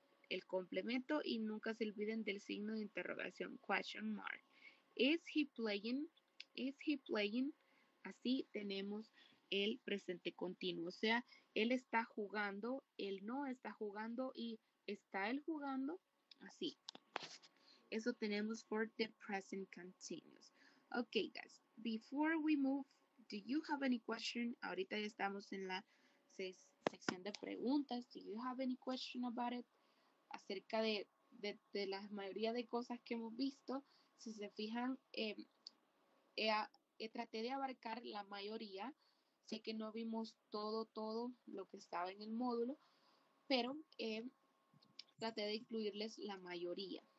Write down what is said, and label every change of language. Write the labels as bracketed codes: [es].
[es] El complemento y nunca se olviden del signo de interrogación, question mark. [en] Is he playing? Is he playing? [es] Así tenemos el presente continuo, o sea, él está jugando, él no está jugando y está él jugando, así. Eso tenemos [en] for the present continuous. Okay, guys, before we move, do you have any question? [es] Ahorita ya estamos en la sección de preguntas. [en] Do you have any question about it? [es] Acerca de la mayoría de cosas que hemos visto, si se fijan, traté de abarcar la mayoría. Sé que no vimos todo lo que estaba en el módulo, pero traté de incluirles la mayoría.